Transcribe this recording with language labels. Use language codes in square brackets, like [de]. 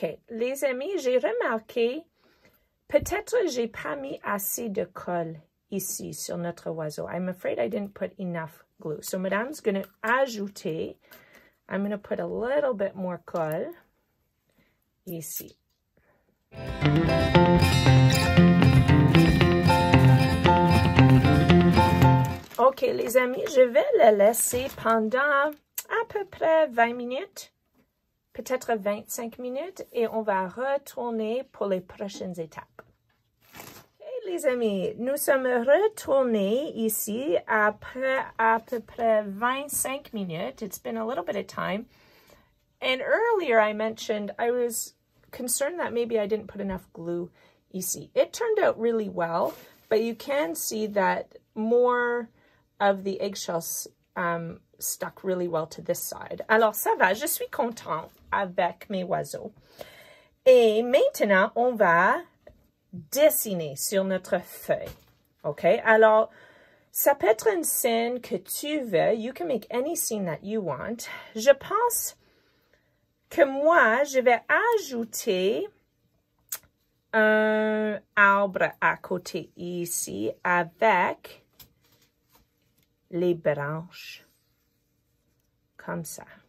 [fr] Mes amis, j'ai remarqué, peut-être j'ai pas mis assez de colle ici sur notre oiseau. [en] I'm afraid I didn't put enough glue. So, madame's going to ajouter. I'm going to put a little bit more [fr] colle ici. OK, les amis, je vais le laisser pendant à peu près 20 minutes. Peut-être 25 minutes et on va retourner pour les prochaines étapes. Okay, les amis, nous sommes retournés ici après à peu près 25 minutes. [en] It's been a little bit of time. And earlier I mentioned I was concerned that maybe I didn't put enough glue ici. It turned out really well, but you can see that more of the eggshells stuck really well to this side. [fr] Alors, ça va, je suis contente avec mes oiseaux. Et maintenant, on va dessiner sur notre feuille. OK? Alors, ça peut être une scène que tu veux. [en] You can make any scene that you want. [fr] Je pense que moi, je vais ajouter un arbre à côté ici avec les branches. Comme ça.